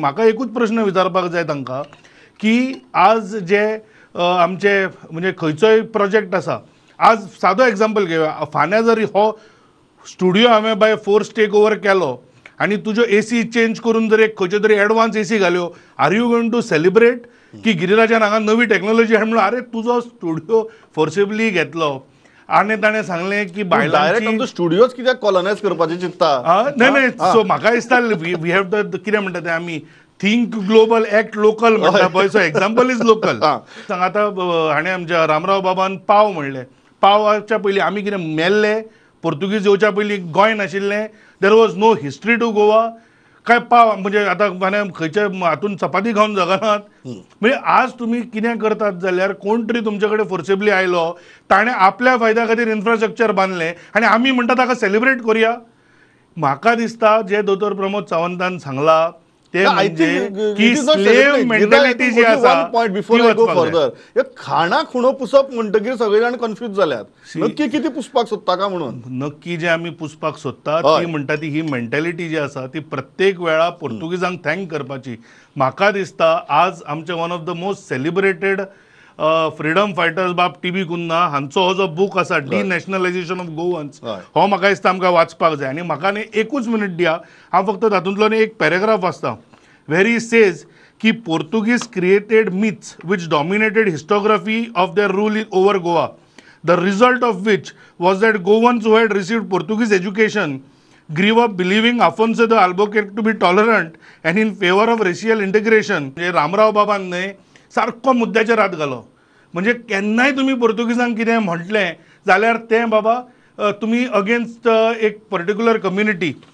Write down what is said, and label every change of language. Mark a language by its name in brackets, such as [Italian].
[Goan Konkani] म्हाका एकूच प्रस्न विचारपाक जाय तांकां की आज जे आमचे म्हणजे खंयचोय प्रोजेक्ट आसा, आज सादो एग्जाम्पल घेवया, फाल्यां जर हो स्टुडियो हांवें [English] by force take over [Goan Konkani] केलो आनी तुजो ए सी चेंज करून जर एक खंयच्यो तरी advance A C घाल्यो, [English] are you going to celebrate [Goan Konkani] की गिरिराजान हांगा नवी टॅक्नोलॉजी हाडून म्हणलो आरे तुजो स्टुडियो फोर्सिबली घेतलो आनी ताणें सांगलें की बायलांची स्टुडियोज कित्याक कॉलनायज करपाचें चित्ता? नाही नाही, सो म्हाका दिसता [English] we have the [Goan Konkani] कितें म्हणटा तें आमी [English] think global act local [Goan Konkani] म्हणटा पळय, [English] So example is local. [Goan Konkani] आतां हाणें आमच्या रामराव बाबान पाव म्हणलें, पावच्या पयलीं आमी कितें मेल्ले? पोर्तुगीज येवच्या पयलीं गोंय नाशिल्लें, [English] There was no history to Goa. [Goan Konkani] काय पाव म्हणजे आतां माने खंयच्या हातून चपाती खावन जगनात? म्हणजे आज तुमी कितें करतात जाल्यार कोण तरी तुमचे कडेन फोर्सिबली आयलो, ताणें आपल्या फायद्या खातीर इन्फ्रास्ट्रक्चर बांदलें आनी आमी म्हणटा ताका सेलिब्रेट करया. म्हाका दिसता जे दोतोर प्रमोद सावंतान सांगला ते म्हणजे की स्लेव्ह मेंटॅलिटी जी आसा. [English] point before I go further, [Goan Konkani] खाणा खुणो पुसप म्हणटकीर सगळे जाण कन्फ्यूज जाल्यात, नक्की किती पुसपाक सोदता का म्हणून. नक्की जे आमी पुसपाक सोदता ती म्हणटा ती ही मेंटॅलिटी जी आसा ती प्रत्येक वेळा पोर्तुगीजांक थँक करपाची. म्हाका दिसता आज आमचे [English] one of the most celebrated freedom fighters [Goan Konkani] बाब टी बी कुन्ना हांचो हो जो बूक आसा डी नॅशनलायझेशन ऑफ गोवन्स, हो म्हाका दिसता आमकां वाचपाक जाय. आनी म्हाका न्ही एकूच मिनीट दिया, हांव फक्त तातूंतलो एक पॅरेग्राफ वाचतां. [English] वेरी सेज की Portuguese created myths which dominated historiography of their rule in over Goa the result of which was that Goans who had receive Portuguese education grew up believing Afonso de Albuquerque to be tolerant and in favour of racial integration [Goan Konkani] जे रामराव बाबांनी सारखो मुद्द्याचेर हात घालो म्हणजे केन्नाय तुम्ही पोर्तुगीजांक कितें म्हटलें जाल्यार ते बाबा तुम्ही अगेन्स्ट एक पर्टिक्युलर कम्युनिटी